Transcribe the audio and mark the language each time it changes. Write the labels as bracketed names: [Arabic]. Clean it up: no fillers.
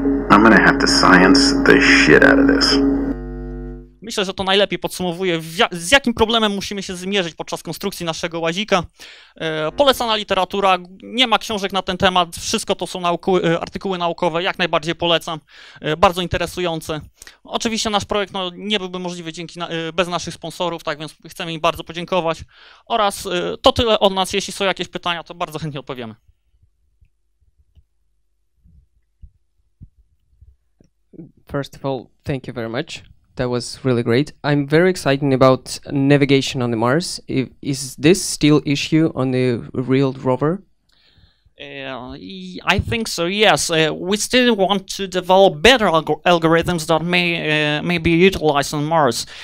[English] I'm gonna have to science the shit out of this. [Polish] Myślę, że to najlepiej podsumowuje, z jakim problemem musimy się zmierzyć podczas konstrukcji naszego łazika. Polecana literatura, nie ma książek na ten temat, wszystko to są artykuły naukowe, jak najbardziej polecam, bardzo interesujące. Oczywiście nasz projekt nie byłby możliwy bez naszych sponsorów, tak więc chcemy im bardzo podziękować. Oraz to tyle od nas, jeśli są jakieś pytania, to bardzo chętnie odpowiemy. [English] First of all, thank you very much. That was really great. I'm very excited about navigation on the Mars. Is this still issue on the real rover? I think so, yes. We still want to develop better algorithms that may be utilized on Mars.